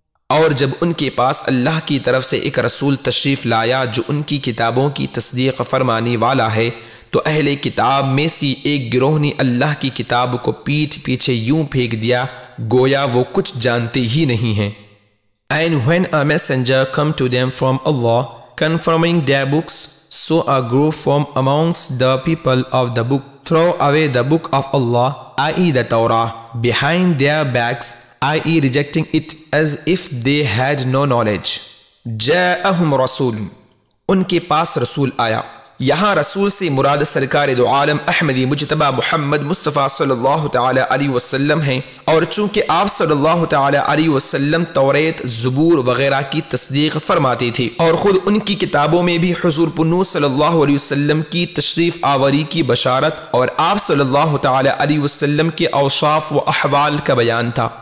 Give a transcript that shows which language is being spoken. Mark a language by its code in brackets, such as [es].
[ur] اور جب ان کے پاس اللہ کی طرف سے ایک رسول تشریف لایا جو ان کی کتابوں کی تصدیق فرمانے والا ہے، تو اہل کتاب میں سے ایک گروہ نے اللہ کی کتاب کو پیٹھ پیچھے یوں پھینک دیا گویا وہ کچھ جانتے ہی نہیں ہیں۔ [en] And when a messenger come to them from Allah confirming their books, so a group from amongst the people of the book throw away the book of Allah, i.e. the Torah, behind their backs, i.e. rejecting it as if they had no knowledge. [ar] جاءهم رسول، [ur] ان کے پاس رسول آیا۔ یہاں رسول سے مراد سرکار دو عالم احمدی مجتبی محمد مصطفیٰ صلی اللہ تعالی علیہ وسلم ہیں، اور چونکہ آپ صلی اللہ تعالی علیہ وسلم توریت زبور وغیرہ کی تصدیق فرماتے تھے اور خود ان کی کتابوں میں بھی حضور پنوس صلی اللہ علیہ وسلم کی تشریف آوری کی بشارت اور آپ صلی اللہ تعالی علیہ وسلم کے اوصاف و احوال کا بیان تھا،